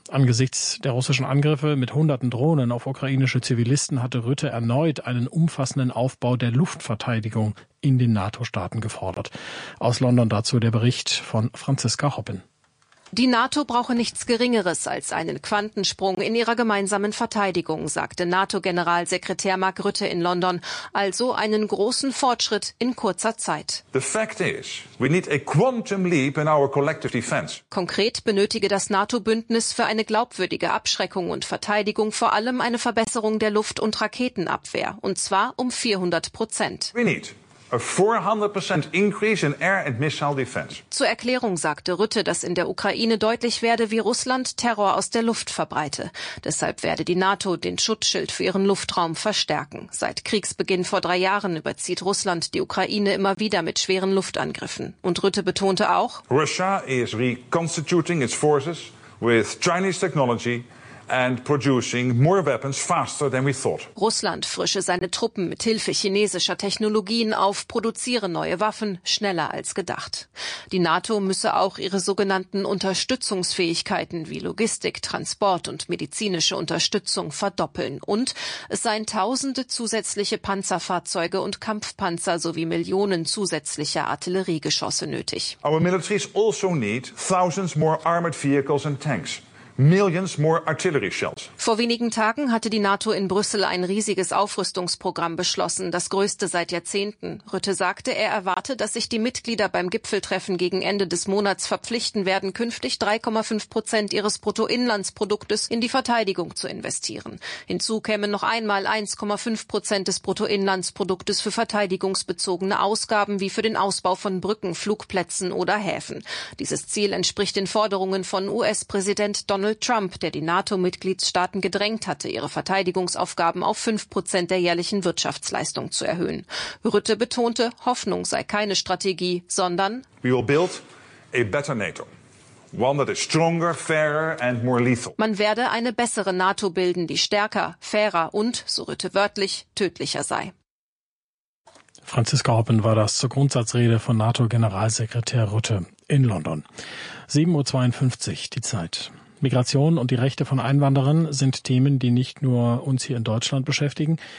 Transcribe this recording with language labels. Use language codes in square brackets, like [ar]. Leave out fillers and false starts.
[de] Angesichts der russischen Angriffe mit hunderten Drohnen auf ukrainische Zivilisten hatte Rutte erneut einen umfassenden Aufbau der Luftverteidigung in den NATO-Staaten gefordert. Aus London dazu der Bericht von Franziska Hoppen. Die NATO brauche nichts Geringeres als einen Quantensprung in ihrer gemeinsamen Verteidigung, sagte NATO-Generalsekretär Mark Rutte in London. Also einen großen Fortschritt in kurzer Zeit. [en] The fact is, we need a quantum leap in our collective defense. [de] Konkret benötige das NATO-Bündnis für eine glaubwürdige Abschreckung und Verteidigung vor allem eine Verbesserung der Luft- und Raketenabwehr, und zwar um 400%. [en] We need a 400% increase in air and missile defense. [de] Zur Erklärung sagte Rutte, dass in der Ukraine deutlich werde, wie Russland Terror aus der Luft verbreite. Deshalb werde die NATO den Schutzschild für ihren Luftraum verstärken. Seit Kriegsbeginn vor 3 Jahren überzieht Russland die Ukraine immer wieder mit schweren Luftangriffen. Und Rutte betonte auch, [en] Russia is reconstituting its forces with Chinese technology and producing more weapons faster than we thought. [de] Russland frische seine Truppen mit Hilfe chinesischer Technologien auf, produziere neue Waffen schneller als gedacht. Die NATO müsse auch ihre sogenannten Unterstützungsfähigkeiten wie Logistik, Transport und medizinische Unterstützung verdoppeln. Und es seien tausende zusätzliche Panzerfahrzeuge und Kampfpanzer sowie Millionen zusätzlicher Artilleriegeschosse nötig. [en] Our militaries also need thousands more armored vehicles and tanks. Millions more artillery shells. [de] Vor wenigen Tagen hatte die NATO in Brüssel ein riesiges Aufrüstungsprogramm beschlossen, das größte seit Jahrzehnten. Rutte sagte, er erwarte, dass sich die Mitglieder beim Gipfeltreffen gegen Ende des Monats verpflichten werden, künftig 3,5% ihres Bruttoinlandsproduktes in die Verteidigung zu investieren. Hinzu kämen noch einmal 1,5% des Bruttoinlandsproduktes für verteidigungsbezogene Ausgaben wie für den Ausbau von Brücken, Flugplätzen oder Häfen. Dieses Ziel entspricht den Forderungen von US-Präsident Donald Trump, der die NATO-Mitgliedstaaten gedrängt hatte, ihre Verteidigungsaufgaben auf 5% der jährlichen Wirtschaftsleistung zu erhöhen. Rutte betonte, Hoffnung sei keine Strategie, sondern [en] We will build a better NATO. One that is stronger, fairer and more lethal. [de] Man werde eine bessere NATO bilden, die stärker, fairer und, so Rutte wörtlich, tödlicher sei. Franziska Hoppen war das zur Grundsatzrede von NATO-Generalsekretär Rutte in London. 7.52 Uhr, die Zeit. Migration und die Rechte von Einwanderern sind Themen, die nicht nur uns hier in Deutschland beschäftigen.